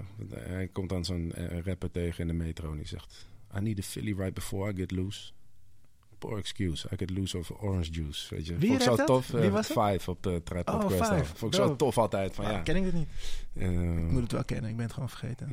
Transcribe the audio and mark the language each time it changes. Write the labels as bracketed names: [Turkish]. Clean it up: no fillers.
[Dutch] Hij komt dan zo'n rapper tegen in de metro en die zegt... [English] I need a Philly right before I get loose. Poor excuse, I get loose over orange juice. [Dutch] Weet je. Wie zo tof. Wie was Five op de trap op Quest. Vond ik zo tof altijd. Van, ken ik het niet. Ik moet het wel kennen, ik ben het gewoon vergeten.